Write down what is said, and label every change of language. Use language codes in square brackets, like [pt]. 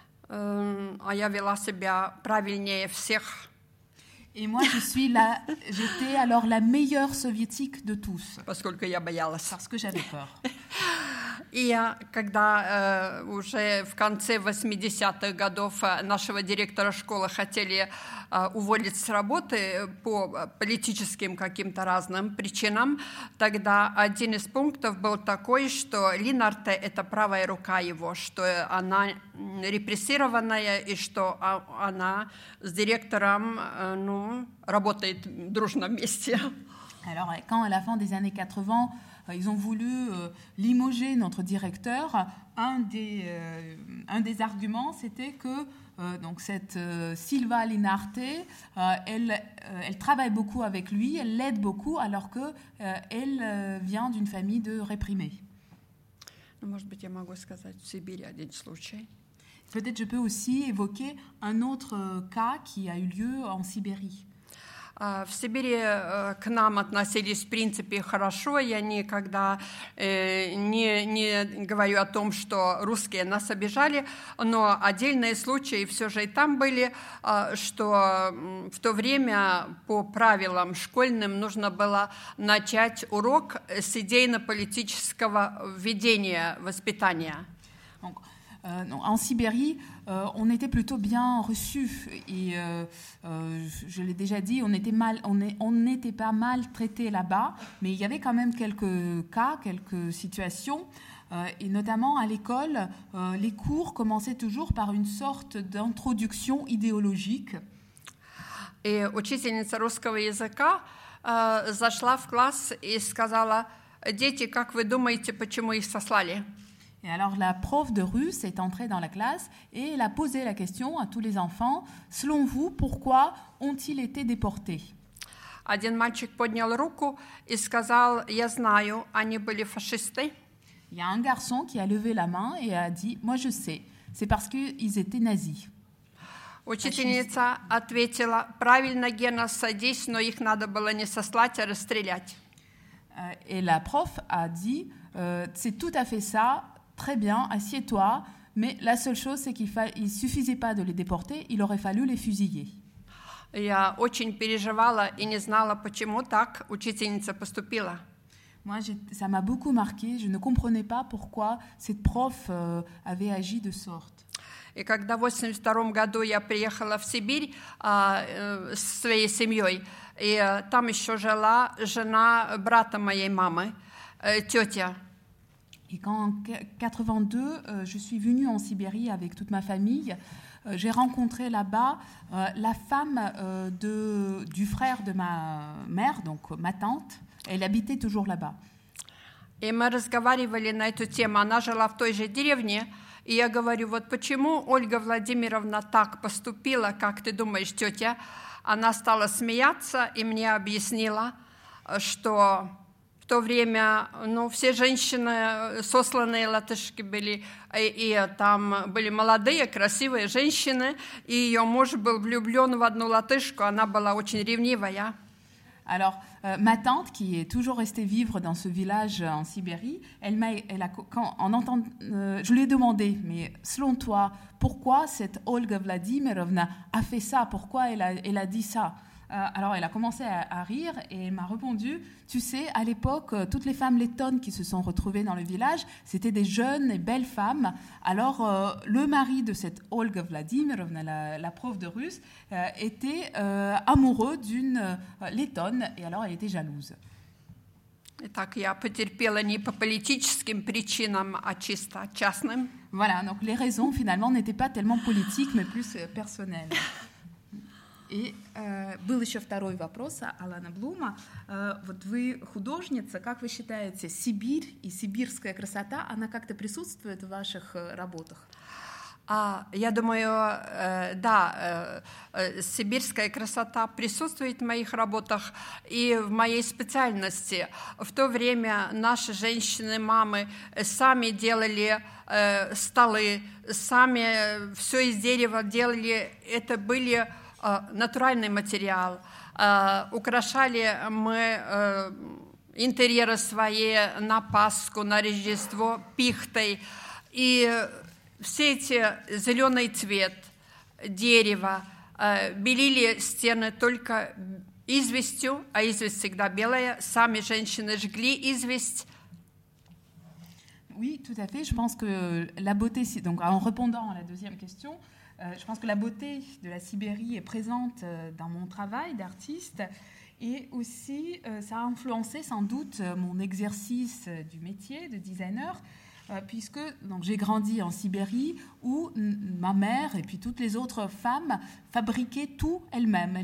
[ru] А я вела себя правильнее всех. [fr] И moi je suis la, j'étais alors la meilleure soviétique de tous. [ru] Поскольку я боялась. [fr] Parce que j'avais peur. [ru] И когда уже в конце 80-х годов нашего директора школы хотели уволить с работы по политическим каким-то разным причинам, тогда один из пунктов был такой, что Линарте – это правая рука его, что она репрессированная и что она с директором работает дружно вместе. [fr] Alors, quand à la fin des années 80, ils ont voulu limoger notre directeur, un des arguments, c'était que donc cette Sylva Linarte, elle travaille beaucoup avec lui, elle l'aide beaucoup, alors qu'elle vient d'une famille de réprimés. Peut-être je peux aussi évoquer un autre cas qui a eu lieu en Sibérie. [ru] В Сибири к нам относились, в принципе, хорошо. Я никогда не говорю о том, что русские нас обижали, но отдельные случаи все же и там были, что в то время по правилам школьным нужно было начать урок с идейно-политического введения воспитания. [fr] En Sibérie, on était plutôt bien reçus et je l'ai déjà dit, on n'était pas mal traités là-bas, mais il y avait quand même quelques cas, quelques situations, et notamment à l'école, les cours commençaient toujours par une sorte d'introduction idéologique. [ru] Et учительница русского языка зашла в класс и сказала: «Дети, как вы думаете, почему их сослали?» [fr] Et alors la prof de russe est entrée dans la classe et elle a posé la question à tous les enfants: selon vous, pourquoi ont-ils été déportés? [ru] Один мальчик поднял руку и сказал: я знаю, они были фашисты. [fr] Il y a un garçon qui a levé la main et a dit, moi je sais, c'est parce qu'ils étaient nazis. [ru] Учительница ответила: «Правильно, Гена, садись, но их надо было не сослать, а расстрелять». [fr] Et la prof a dit: «C'est tout à fait ça, très bien, assieds-toi, mais la seule chose, c'est qu'il suffisait pas de les déporter, il aurait fallu les fusiller». [ru] Я очень переживала и не знала, почему так учительница поступила. [fr] Moi, ça m'a beaucoup marqué. Je ne comprenais pas pourquoi cette prof avait agi de sorte. [ru] И когда в 82-м году я приехала в Сибирь со своей семьей, и там еще жила жена брата моей мамы, тетя. [fr] И quand en 82 je suis venue en Sibérie avec toute ma famille, j'ai rencontré là-bas la femme du frère de ma mère, donc ma tante. Elle habitait toujours là-bas. [ru] Et мы разговаривали на эту тему. Она жила в той же деревне. И я говорю, вот почему Ольга Владимировна так поступила, как ты думаешь, тетя? Она стала смеяться и мне объяснила, что в то время, ну, все женщины, сосланные латышки были, и там были молодые, красивые женщины, и ее муж был влюблен в одну латышку, она была очень ревнивая. [fr] Alors, ma tante, qui est toujours restée vivre dans ce village en Sibérie, je lui ai demandé, mais selon toi, pourquoi cette Olga Vladimirovna a fait ça? Pourquoi elle a dit ça? Alors, elle a commencé à rire et elle m'a répondu, tu sais, à l'époque, toutes les femmes lettonnes qui se sont retrouvées dans le village, c'était des jeunes et belles femmes. Alors, le mari de cette Olga Vladimirovna, la prof de russe, était amoureux d'une lettonne et alors elle était jalouse. [ru] Итак, я потерпела не по политическим причинам, а чисто частным. [fr] Voilà, donc les raisons, finalement, n'étaient pas tellement politiques, mais plus personnelles. [ru] И был еще второй вопрос Алана Блума. Вот вы художница, как вы считаете, Сибирь и сибирская красота, она как-то присутствует в ваших работах? Я думаю, да, сибирская красота присутствует в моих работах и в моей специальности. В то время наши женщины, мамы сами делали столы, сами все из дерева делали, это были... натуральный материал. Украшали мы интерьеры свои на Пасху, на Рождество пихтой. И все эти зеленый цвет дерева белили стены только известью, а известь всегда белая. Сами женщины жгли известь. [fr] Oui, tout à fait. Je pense que la beauté, donc en répondant à la deuxième question, je pense que la beauté de la Sibérie est présente dans mon travail d'artiste et aussi ça a influencé sans doute mon exercice du métier de designer puisque donc, j'ai grandi en Sibérie où ma mère et puis toutes les autres femmes fabriquaient tout elles-mêmes.